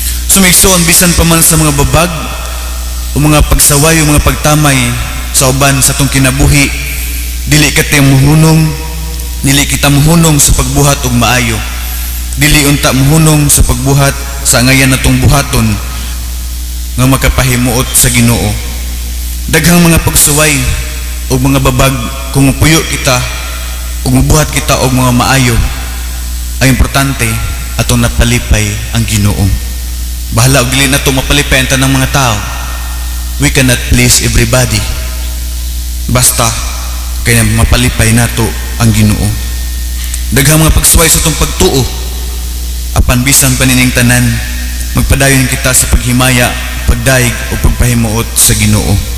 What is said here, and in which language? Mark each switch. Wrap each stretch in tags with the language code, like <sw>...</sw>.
<ceb>Sumigsoon bisan pa man sa mga babag o mga pagsaway o mga pagtamay sa uban sa tong kinabuhi, dili kita muhunong, dili kita muhunong sa pagbuhat og maayo. Dili unta muhunong sa pagbuhat sa ngayan na tong buhaton nga makapahimuot sa Ginoo. Daghang mga pagsaway o mga babag, kung upuyo kita o mabuhat kita og mga maayo, ay importante atong napalipay ang Ginoo. Bahala og dili na itong mapalipay ang tanang mga tao.</ceb> <en>We cannot please everybody.</en> <ceb>Basta kaya mapalipay nato ang Ginoo. Daghang mga pagsuway sa itong pagtuo, apan bisan panining tanan, magpadayon kita sa paghimaya, pagdaig o pagpahimuot sa Ginoo.</ceb>